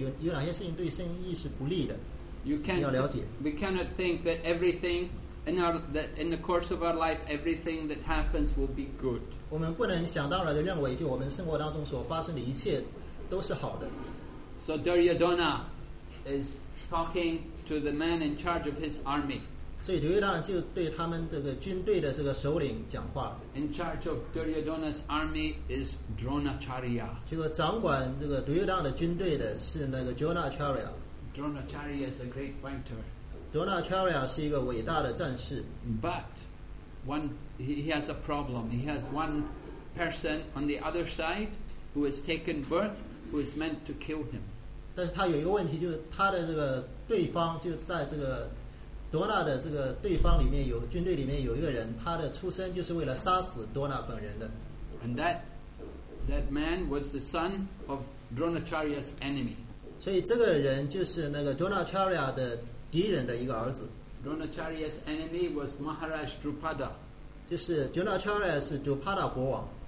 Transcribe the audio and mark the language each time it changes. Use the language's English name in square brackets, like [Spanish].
[Chinese] 就好像你要做生意一样，你必须要知道，就有哪些事情是对这个生意是有利的，有哪些事情对生意是不利的。 [English] You we cannot think that everything in the course of our life, everything that happens will be good. [Chinese] 我们不能想当然的认为，就我们生活当中所发生的一切都是好的。 [English] So Duryodhana is talking to the man in charge of his army. [Chinese] 所以刘玉堂就对他们这个军队的这个首领讲话。 [English] In charge of Duryodhana's army is Dronacharya. [Chinese] 这个掌管这个刘玉堂的军队的是那个 Dronacharya。 [English] Dronacharya is a great fighter. [Chinese] Dronacharya 是一个伟大的战士。 [English] But he has a problem. He has one person on the other side who has taken birth who is meant to kill him. [Chinese] 但是他有一个问题，就是他的这个对方就在这个。多纳的这个对方里面有军队里面有一个人，他的出身就是为了杀死多纳本人的。 [English] And that man was the son of Dronacharya's enemy. [Chinese] 所以这个人就是那个 Dronacharya 的敌人的一个儿子。 [English] Dronacharya's enemy was Maharaj Drupada. [Chinese] 就是 Dronacharya 是 Drupada 国王。